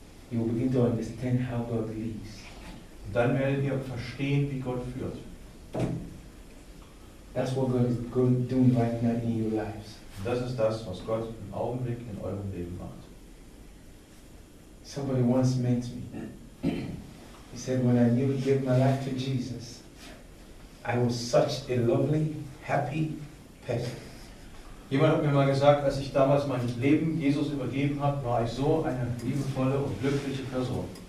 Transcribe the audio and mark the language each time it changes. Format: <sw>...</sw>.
<en>You will begin to understand how God leads.</en> <de>Und dann werdet ihr verstehen, wie Gott führt.</de> <en>That's what God is doing right now in your lives.</en> <de>Das ist das, was Gott im Augenblick in eurem Leben macht.</de> <en>Somebody once met me. He said, when I knew he gave my life to Jesus, I was such a lovely, happy person.</en> <de>Jemand hat mir mal gesagt, als ich damals mein Leben Jesus übergeben habe, war ich so eine liebevolle und glückliche Person.</de>